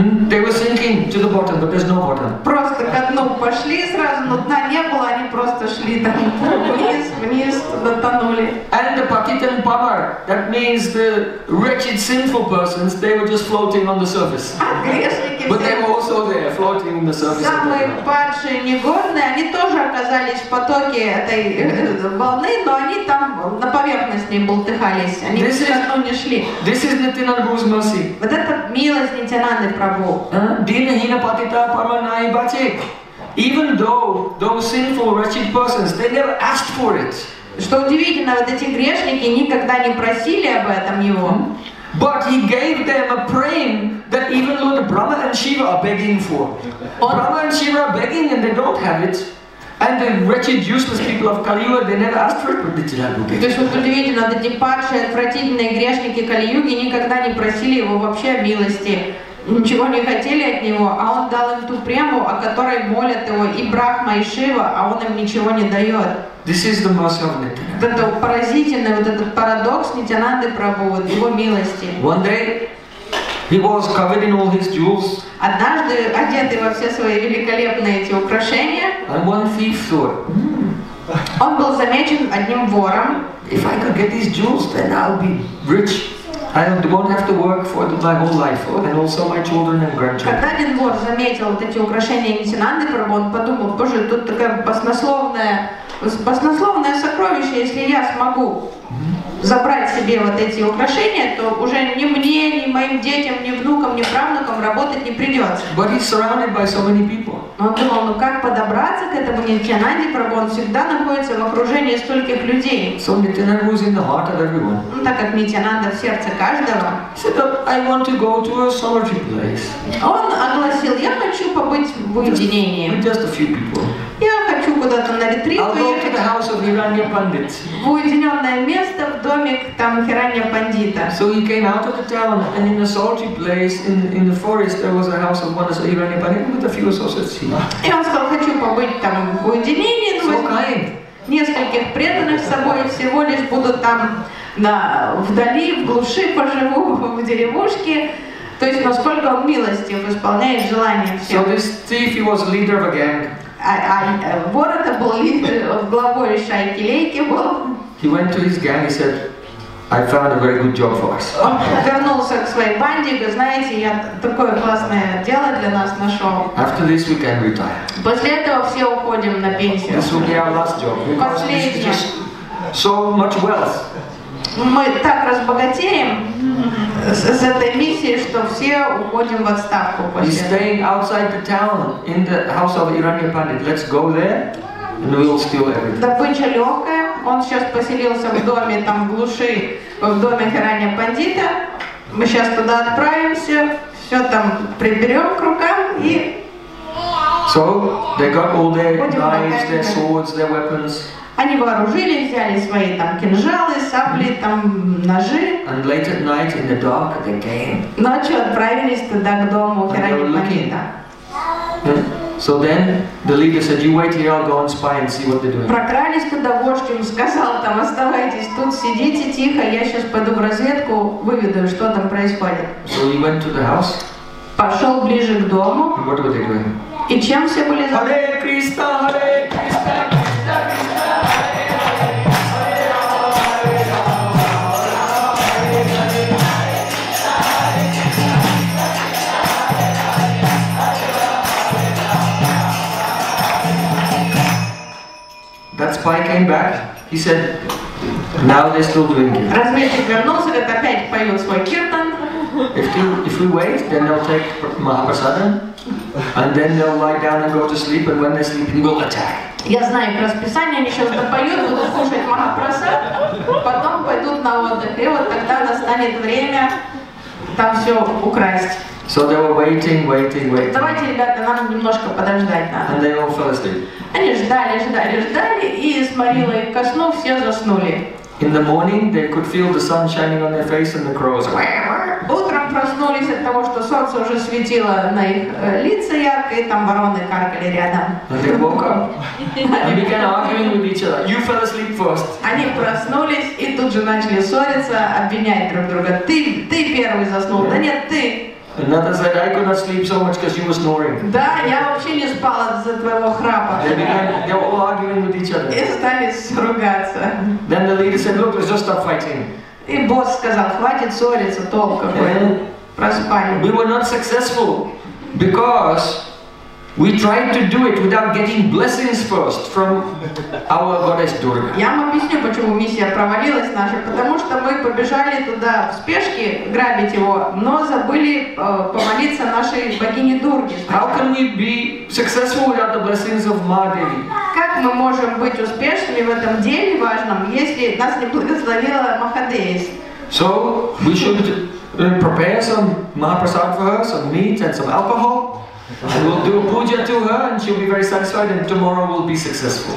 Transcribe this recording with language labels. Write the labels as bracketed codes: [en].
[en] They were sinking to the bottom, but there's no bottom. [ru] Просто ко дну пошли сразу, но дна не было, они просто шли там вниз, вниз, туда тонули. [en] And the Patitan Pavar, that means the wretched sinful persons, they were just floating on the surface. But they were also there, floating in the surface. [ru] Самые падшие негодные, они тоже оказались в потоке этой волны, но они там на поверхности болтыхались, они все равно не шли. [en] This is Nityananda Prabhu's mercy. [ru] Вот это милость Нитянанды Прабху. [bn] Динахина патита парманай бачи. [en] Even though those sinful, wretched persons, they never asked for it. [ru] Что удивительно, вот эти грешники никогда не просили об этом его. [en] But he gave them a praying that even Lord Brahma and Shiva are begging for. Brahma and Shiva are begging and they don't have it. And the wretched, useless people of Kali Yuga, they never asked for it, but Nityananda gave it. [ru] То есть вот удивительно, вот эти падшие, отвратительные грешники Кали Юги никогда не просили его вообще о милости. Ничего не хотели от него, а он дал им ту прему, о которой молят его и Брахма, и Шива, а он им ничего не дает. [en] This is the mercy of Nityananda. [ru] Вот это поразительный, вот этот парадокс Нитянанды Прабху, вот его милости. [en] One day, he was covered in all his jewels. [ru] Однажды, одетый во все свои великолепные эти украшения, [en] and one thief thought, [ru] он был замечен одним вором. [en] If I could get these jewels, then I'll be rich. I won't have to work for my whole life, and also my children and grandchildren. [ru] Когда один вор заметил вот эти украшения Нитянанды Прабху, он подумал, боже, тут такое баснословное сокровище, если я смогу забрать себе вот эти украшения, то уже ни мне, ни моим детям, ни внукам, ни правнукам работать не придется. [en] But he's surrounded by so many people. [ru] Он думал, ну как подобраться к этому Нитянанде Прабху? Он всегда находится в окружении стольких людей. [en] So Nityananda was in the heart of everyone. [ru] Ну так как Нитянанда в сердце каждого. [en] So I want to go to a solitary place. [ru] Он огласил, я хочу побыть в уединении. [en] Just a few people. [ru] Я хочу куда-то на ретрит поехать. В уединенное место, в домик там Хиранья Пандита. [en] So he came out of the town and in a salty place in the forest there was a house of one of Hiranya Pandita with a few associates. [ru] И он сказал, хочу побыть там в уединении, [en] so kind. [ru] Нескольких преданных с собой всего лишь буду там вдали, в глуши поживу, в деревушке. То есть насколько он милостив, исполняет желания всех. [en] So this thief, he was leader of a gang. [ru] Вор это был главой шайки-лейки был. [en] He went to his gang and said, I found a very good job for us. [ru] Он вернулся к своей банде и говорит, знаете, я такое классное дело для нас нашел. [en] After this we can retire. [ru] После этого все уходим на пенсию. [en] This will be our last job. [ru] Последнее. [en] So much wealth. [ru] Мы так разбогатеем с этой миссией, что все уходим в отставку после. [en] He's staying outside the town in the house of Hiranya Pandit. Let's go there and we'll steal everything. [ru] Добыча легкая. Он сейчас поселился в доме там в глуши, в доме Хиранья Пандита. Мы сейчас туда отправимся, все там приберем к рукам и. [en] So they got all their knives, their swords, their weapons. [ru] Они вооружили, взяли свои там кинжалы, сабли, там ножи. [en] And late at night in the dark they came. [ru] Ночью отправились туда к дому Хиранья Пандита. [en] So then the leader said, "You wait here, I'll go and spy and see what they're doing." [ru] Прокрались к дождю, сказал там, оставайтесь тут, сидите тихо, я сейчас пойду в разведку, выведу, что там происходит. [en] So he went to the house. [ru] Пошел ближе к дому. [en] And what were they doing? [ru] И чем все были заняты? Hare Krishna, Hare Krishna. [en] Spy came back. He said, "Now they're still doing it." [ru] Разведчик вернулся, говорит, опять поет свой киртан. [en] If we wait, then they'll take Mahaprasada, and then they'll lie down and go to sleep, and when they're sleeping, we'll attack. [ru] Я знаю, по расписанию они сейчас допоют, будут слушать Махапрасаду, потом пойдут на отдых, и вот тогда настанет время там все украсть. [en] So they were waiting. [ru] Давайте, ребята, нам немножко подождать надо. [en] And they all fell asleep. [ru] Они ждали, и сморило их ко сну, все заснули. [en] In the morning, they could feel the sun shining on their face and the crows. [ru] Утром проснулись от того, что солнце уже светило на их лица ярко, и там вороны каркали рядом. [en] And they woke up. And they began arguing with each other. You fell asleep first. [ru] Они проснулись и тут же начали ссориться, обвинять друг друга. Ты первый заснул. Да нет, ты. [en] Another said, "I could not sleep so much because you were snoring." [ru] Да, я вообще не спала из-за твоего храпа. [en] They were all arguing with each other. [ru] И стали ругаться. [en] Then the leader said, "Look, let's just stop fighting." [ru] И босс сказал, хватит ссориться, толк какой. Проспали. [en] We were not successful because we tried to do it without getting blessings first from our goddess Durga. [ru] Я вам объясню, почему миссия провалилась наша. Потому что мы побежали туда в спешке грабить его, но забыли помолиться нашей богине Дурге. [en] How can we be successful without the blessings of Ma Devi? [ru] Как мы можем быть успешными в этом деле важном, если нас не благословила Махадеви? [en] So we should prepare some Mahaprasad for her, some meat and some alcohol. And we'll do a puja to her, and she'll be very satisfied, and tomorrow we'll be successful.